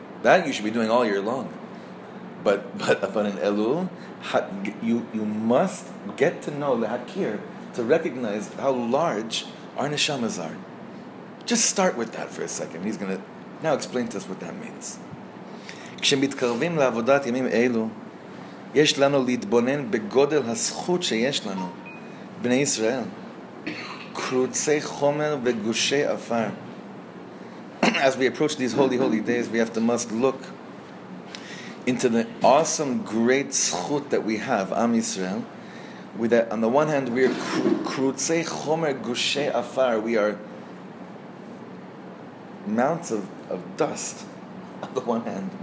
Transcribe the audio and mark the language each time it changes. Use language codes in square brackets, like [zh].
[en] That you should be doing all year long. But in Elul, you must get to know, lehakir, to recognize how large our neshamas are. Just start with that for a second. He's going to now explain to us what that means. [he] כשמתקרבים לעבודת ימים אלו, יש לנו להתבונן בגודל הזכות שיש לנו, בני ישראל, קרוצי חומר וגושי אפר. [en] As we approach these holy, holy days, we have to must look into the awesome, great זכות that we have, Am Israel, with that, on the one hand, we are [he] קרוצי חומר גושי אפר, [en] we are mounts of dust on the one hand.